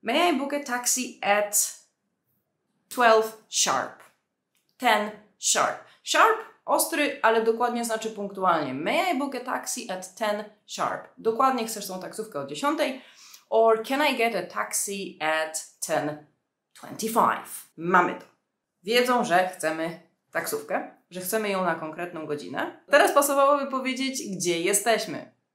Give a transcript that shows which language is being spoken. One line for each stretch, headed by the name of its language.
English: May I book a taxi at 12 sharp? 10 sharp.
Polish: Sharp, ostry, ale dokładnie znaczy punktualnie.
English: May I book a taxi at 10 sharp?
Polish: Dokładnie chcesz tą taksówkę o 10.
English: Or can I get a taxi at 10:25?
Polish: Mamy to. Wiedzą, że chcemy taksówkę, że chcemy ją na konkretną godzinę. Teraz pasowałoby powiedzieć, gdzie jesteśmy.